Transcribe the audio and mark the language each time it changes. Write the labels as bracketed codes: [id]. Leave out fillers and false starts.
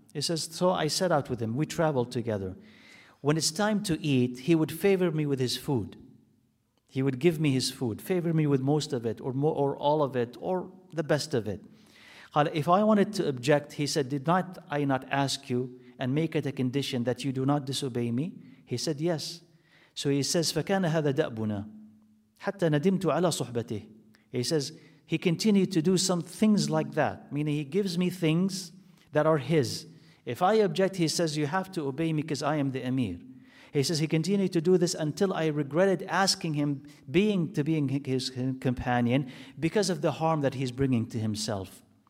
[en] He says, so I set out with him. We traveled together. When it's time to eat, he would favor me with his food. He would give me his food, favor me with most of it, or more, or all of it, or the best of it. If I wanted to object, he said, did not I not ask you and make it a condition that you do not disobey me? He said, yes. [ar] So he says, فَكَانَ هَذَا دَأْبُنَا حَتَّى نَدِمْتُ عَلَى صُحْبَتِهِ. [en] He says, he continued to do some things like that, meaning he gives me things that are his. If I object, he says, you have to obey me because I am the emir. He says, he continued to do this until I regretted asking him to being his companion because of the harm that he's bringing to himself.